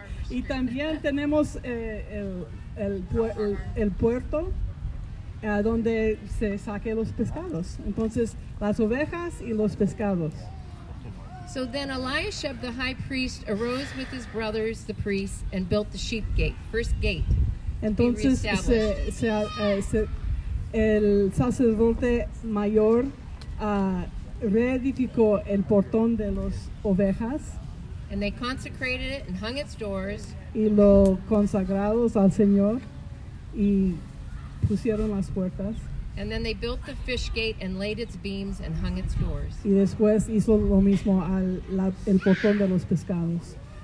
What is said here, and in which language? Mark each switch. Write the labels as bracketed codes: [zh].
[es] Y también tenemos el puerto donde se saque los pescados. Entonces, las ovejas y los pescados. [en] So then Eliashib the high priest arose with his brothers the priests and built the sheep gate, first gate. [es] Entonces el sacerdote mayor reedificó el portón de las ovejas. [en] And they consecrated it and hung its doors. [es] Y lo consagrados al Señor y pusieron las puertas. [en] And then they built the fish gate and laid its beams and hung its doors. [es] Y después hizo lo mismo al portón de los pescados.